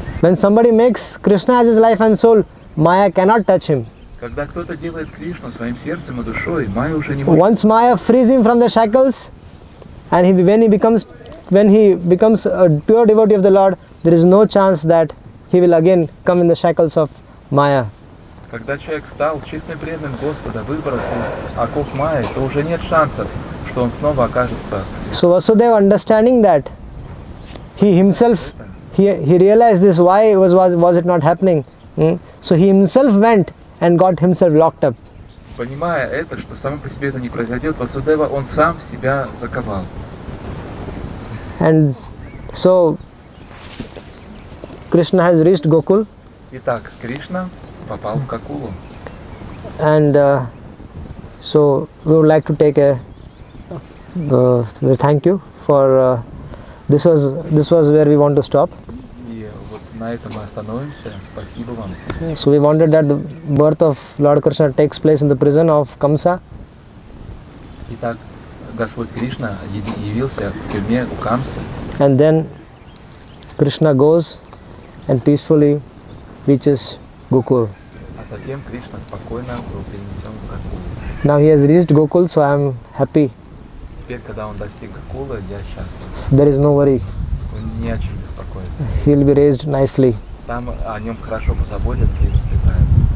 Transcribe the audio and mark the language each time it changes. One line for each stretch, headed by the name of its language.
English: When somebody makes Krishna as his life and soul, Maya cannot touch him.
Russian: Когда кто-то делает Кришну своим сердцем и душой, Майя уже не может.
English: Once Maya frees him from the shackles, and when he becomes a pure devotee of the Lord, there is no chance that he will again come in the shackles of Maya.
Russian: Когда человек стал чистым преданным Господа, выбрался из оков Майи, то уже нет шансов, что он снова окажется.
English: So Vasudev, understanding that, he himself, he realized this, why was it not happening? So he himself went and got himself locked up.
Russian: Понимая это, что само по себе это не произойдет, Васудева, он сам себя заковал.
English: And so Krishna has reached Gokul.
Russian: Итак, Кришна попал в Гокулу.
English: And so we would like to take a thank you for this was where we want to stop.
Russian: На этом мы остановимся. Спасибо вам.
English: So we wanted that the birth of Lord Krishna takes place in the prison of Kamsa.
Russian: Итак, Господь Кришна явился в тюрьме у Камсы.
English: And then Krishna goes and peacefully reaches Gokul.
Russian: А затем Кришна спокойно был перенесен в Гокул.
English: Now he has reached Gokul, so I am happy.
Russian: Теперь, когда он достиг Гокула, я счастлив.
English: There is no worry.
Russian: Не о чем беспокоиться.
English: He'll be raised nicely.
Russian: Там о нем хорошо позаботятся и воспитают.